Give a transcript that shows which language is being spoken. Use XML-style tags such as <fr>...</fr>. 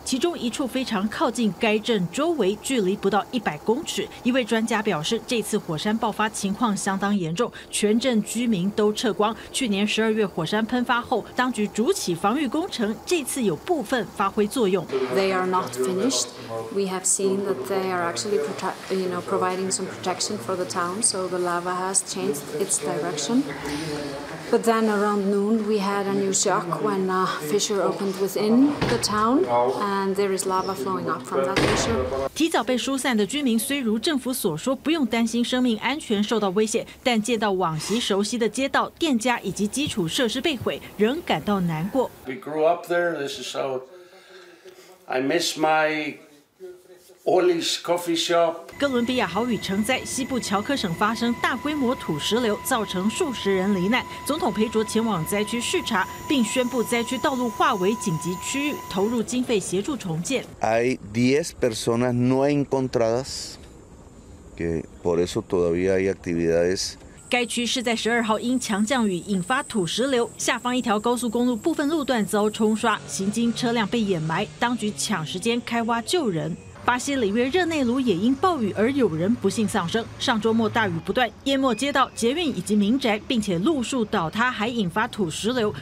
<zh>其中一处非常靠近该镇周围，距离不到100公尺。一位专家表示，这次火山爆发情况相当严重，全镇居民都撤光。去年12月火山喷发后，当局筑起防御工程，这次有部分发挥作用。</zh> <en>They are not finished. We have seen that they are actually providing some protection for the town, so the lava has changed its direction. But then around noon, we had a new shock when a fissure opened within the town, and there is lava flowing up from that fissure.</en> <zh>提早被疏散的居民虽如政府所说不用担心生命安全受到威胁，但见到往昔熟悉的街道、店家以及基础设施被毁，仍感到难过。</zh> <en>We grew up there. This is so. I miss my. Olive Coffee Shop.</en> <zh>哥伦比亚豪雨成灾，西部乔科省发生大规模土石流，造成数十人罹难。总统佩卓前往灾区视察，并宣布灾区道路划为紧急区域，投入经费协助重建。</zh> <es>Hay 10 personas no encontradas, que por eso todavía hay actividades.</es> <zh>该区是在12号因强降雨引发土石流，下方一条高速公路部分路段遭冲刷，行经车辆被掩埋，当局抢时间开挖救人。巴西里约热内卢也因暴雨而有人不幸丧生。上周末大雨不断，淹没街道、捷运以及民宅，并且路树倒塌，还引发土石流。</zh>